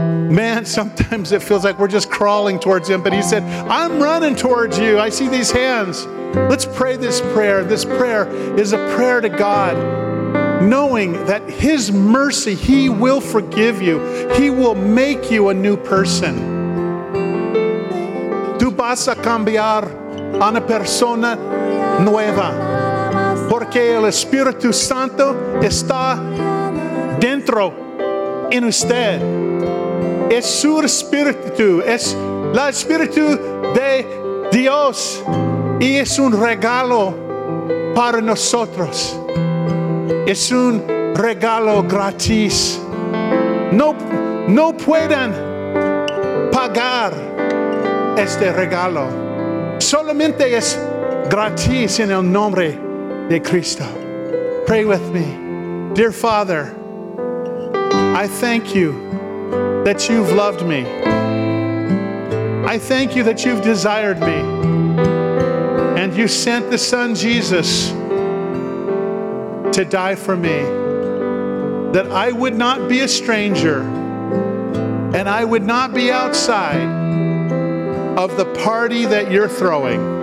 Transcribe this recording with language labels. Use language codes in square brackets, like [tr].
[en] Man, sometimes it feels like we're just crawling towards Him, but He said, I'm running towards you. I see these hands. Let's pray this prayer. This prayer is a prayer to God, knowing that His mercy, He will forgive you. He will make you a new person. [es] Tú vas a cambiar a una persona nueva, porque el Espíritu Santo está dentro en usted. Es su espíritu, es el espíritu de Dios y es un regalo para nosotros. Es un regalo gratis. No pueden pagar este regalo. Solamente es gratis en el nombre de Cristo. [en] Pray with me. Dear Father, I thank you that you've loved me. I thank you that you've desired me. And you sent the Son Jesus to die for me, that I would not be a stranger and I would not be outside of the party that you're throwing.